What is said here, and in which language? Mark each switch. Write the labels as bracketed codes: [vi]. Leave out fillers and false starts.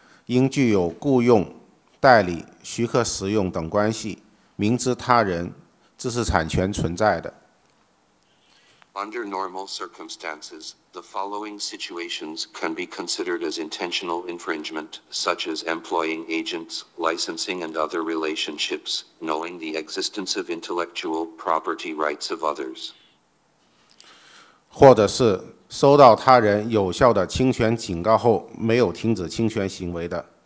[zh] 应具有雇用、代理、许可使用等关系，明知他人知识产权存在的。 [en] Under normal circumstances, the following situations can be considered as intentional infringement, such as employing agents, licensing and other relationships, knowing the existence of intellectual property rights of others. [zh] 或者是收到他人有效的侵权警告后没有停止侵权行为的。